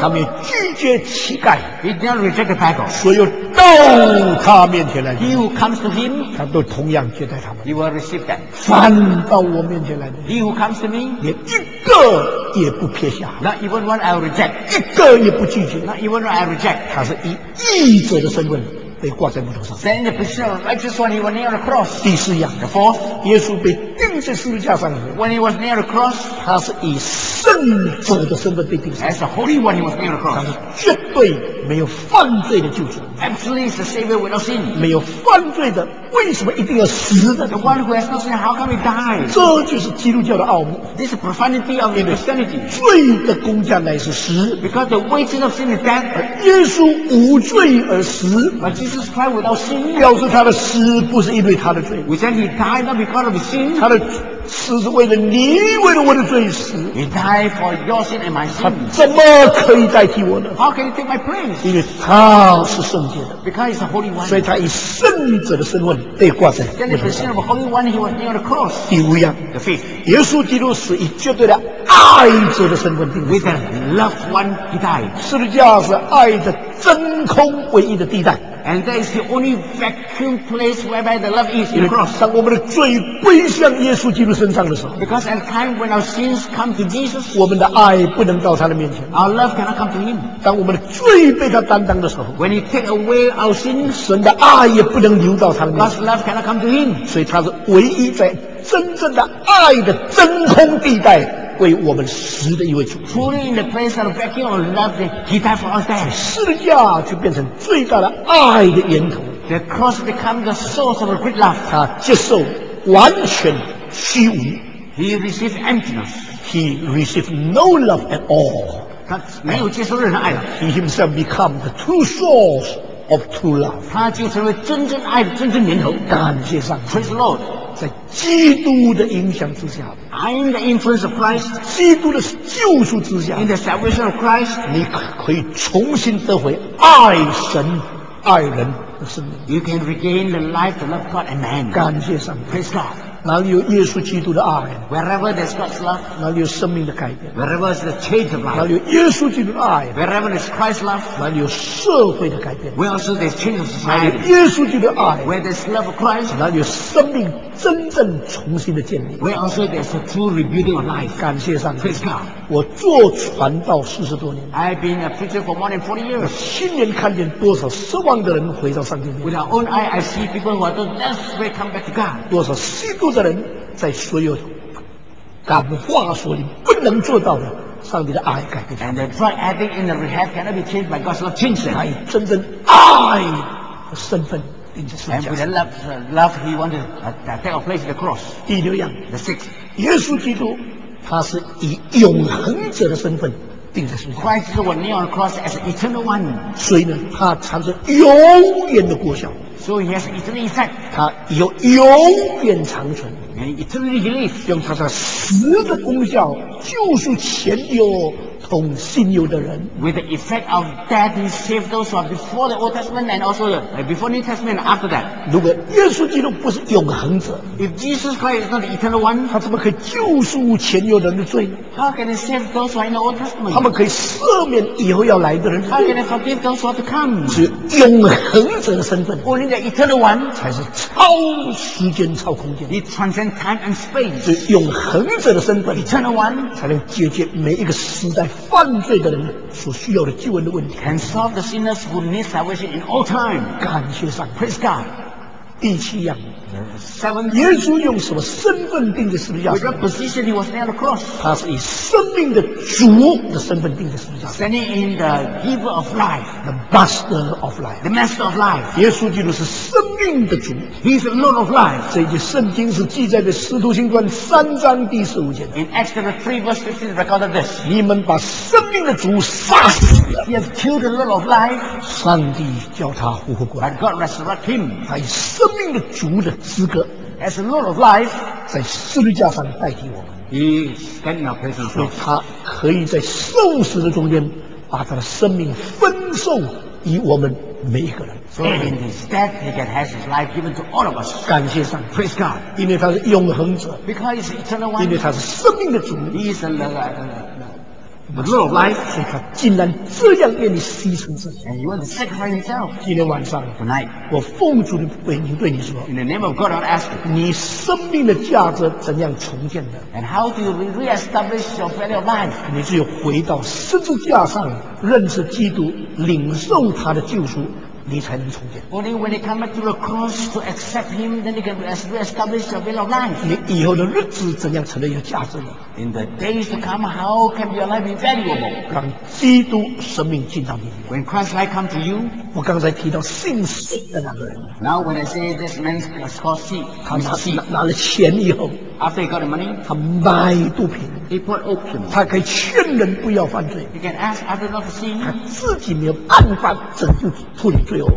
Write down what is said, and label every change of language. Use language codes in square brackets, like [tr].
[zh] 他没有拒绝乞丐。 [en] He did not reject the beggar. [zh] 所有到他面前来的， [en] He who comes to him, [zh] 他都同样接待他们。 [en] He will receive them. [zh] 反到我面前来的， [en] He who comes to me, [zh] 连一个也不撇下。 [en] Not even one I will reject. [zh] 一个也不拒绝。 [en] Not even one I reject. [zh] 他是以义者的身份被挂在木头上。 [en] Then the person of righteous one, he was nailed on the cross. [zh] 第四样。 [en] The fourth. [zh] 耶稣被钉在十字架上的时候， [en] When he was nailed on the cross, [zh] 他是以圣者的身份被钉上。 [en] As the holy one, he was nailed on the cross. [zh] 他是绝对没有犯罪的救主。 [en] Absolutely, he's the savior without sin. [zh] 没有犯罪的，为什么一定要死的？ [en] The one who has no sin, how can he die? [zh] 这就是基督教的奥秘。 [en] This is the profundity of Christianity. [zh] 罪的工价乃是死。 [en] Because the wages of sin is death. [zh] 耶稣无罪而死。 [en] But Jesus Jesus Christ without sin. [zh] 表示他的死不是因为他的罪。 [en] We said he died not because of sin. [zh] 他的死是为了你，为了我的罪死。 [en] He died for your sin and my sin. [zh] 他怎么可以代替我呢？ [en] How can he take my place? [zh] 因为他是圣洁的。 [en] Because he's a holy one. [zh] 所以他以圣者的身份被挂在木头上。 [en] Then the position of a holy one, he was near the cross. [zh] 第五样。 [en] The fifth. [zh] 耶稣基督是以绝对的爱者的身份定死。 [en] With a loved one, he died. [zh] 十字架是爱的真空唯一的地带。 [en] And that is the only vacuum place whereby the love is in the cross. [zh] 当我们的罪归向耶稣基督身上的时候， [en] Because at the time when our sins come to Jesus, [zh] 我们的爱不能到他的面前， [en] Our love cannot come to him. [zh] 当我们的罪被他担当的时候， [en] When he take away our sins, [zh] 神的爱也不能流到他的面前， [en] God's love cannot come to him. [zh] 所以他是唯一在真正的爱的真空地带为我们死的一位主。 [en] Truly in the place of the vacuum of love, he died for us there. [zh] 十字架就变成最大的爱的源头。 [en] The cross becomes the source of a great love. [zh] 他接受完全虚无。 [en] He received emptiness. He received no love at all. [zh] 他没有接受任何爱。 [en] He himself became the true source of true love. [zh] 他就成为真正爱的真正源头。感谢上帝。 [en] Praise the Lord. [zh] 在基督的影响之下， [en] I'm the influence of Christ. [zh] 基督的救赎之下， [en] In the salvation of Christ, [zh] 你可以重新得回爱神爱人的生命。 [en] You can regain the life, the love of God. Amen. [zh] 感谢上帝。 [en] Praise God. [zh] 哪里有耶稣基督的爱 [en] ？Wherever there's God's love. [zh] 哪里有生命的改变 [en] ？Wherever is the change of life. [zh] 哪里有耶稣基督的爱 [en] ？Wherever is Christ's love. [zh] 哪里有社会的改变 [en] ？Where also there's change of society. [zh] 哪里有耶稣基督的爱 [en] ？Where there's love of Christ. [zh] 哪里有生命真正重新的建立 [en] ？Where also there's a true rebuilding of life. [zh] 感谢上帝。 [en] Praise God. [zh] 我做传道四十多年。 [en] I've been a preacher for more than 40 years. [zh] 亲眼看见多少失望的人回到上帝面前。 [en] With our own eye, I see people who are just desperate to come back to God. [zh] 多少虚度的人在所有感化所里不能做到的上帝的爱改变。 [en] And the drug addict in the rehab cannot be changed by God's love. [zh] 真正爱，真正爱的身份。 [en] And with the love he wanted to take a place in the cross. [zh] 第六样 [en] ，the sixth， [zh] 耶稣基督，他是以永恒者的身份钉在十字架。 [en] Christ was nailed on the cross as an eternal one. [zh] 所以呢，他产生永远的果效。 [en] So he has eternal effect. [zh] 他有永远长存。 [en] And eternal relief. [zh] 用他的死的功效救赎前有同新有的人。 [en] With the effect of death, he saved those who are before the Old Testament and also before New Testament and after that. [zh] 如果耶稣基督不是永恒者 [en] ，If Jesus Christ is not the eternal one, [zh] 他怎么可以救赎前有人的罪 [en] ？How can he save those who are in the Old Testament? [zh] 他们可以赦免以后要来的人 [en] ？How can he forgive those who are to come? [zh] 只有永恒者的身份 [en] ，Only the eternal one [zh] 才是超时间、超空间 [en] ，He transcends time and space. [zh] 只有永恒者的身份 [en] ，Eternal one [zh] 才能解决每一个时代。犯罪的人所需要的救恩的问题 [en] ，can solve the sinners who need salvation in all time. [zh] 感谢上帝 [en] ，praise God. [zh] 第七样 [en] ，seven. [zh] 耶稣用什么身份钉在十字架上 [en] ？With what position he was nailed on the cross? [zh] 他是以生命的主的身份钉在十字架上 [en] ，standing in the giver of life, the master of life, the master of life. [zh] 耶稣基督是生命的主 [en] ，he's the Lord of life. [zh] 这句圣经是记载在《使徒行传》三章第十五节。 [en] In Acts chapter 3 verse 15 recorded this. [zh] 你们把生命的主杀死了。 [en] He has killed the Lord of life. [zh] 上帝叫他复活过来。 [en] But God resurrected him. [zh] 他以生命的主的资格 [en] ，as the Lord of life， [zh] 在十字架上代替我们。 [en] He standing up as the Lord. [zh] 所以他可以在受死的中间，把他的生命分受以我们。每一个人 [en] So in his death he can have his life given to all of us [zh] 感谢上 [en] Praise God [zh] 因为他是永恒者 [en] Because he's eternal one [zh] 因为他是生命的主 [en] He is the Lord of life [zh] 所以他竟然这样愿意牺牲自己 [en] And he wants to sacrifice himself [zh] 今天晚上 [en] Tonight [zh] 我奉主的名对你说 [en] In the name of God I'll ask you [zh] 你生命的价值怎样重建的 [en] And how do you re-establish your value of life [zh] 你只有回到十字架上认识基督，领受他的救赎，你才能重建。 [en] Only when you come back to the cross to accept him, then you can reestablish your way of life. [zh] 你以后的日子怎样成为有价值的 [en] ？In the days to come, how can your life be valuable? [zh] 让基督生命进到你。 [en] When Christ's life come to you, [zh] 我刚才提到信息的那个人。 [en] Now when I say this man is called see, [zh] 他拿了钱以后 [en] ，After he got the money, [zh] 他买毒品。 [en] He put opium. [zh] 他可以劝人不要犯罪。 [en] He can ask others not to sin. [zh] 他自己没有办法拯救脱离罪恶。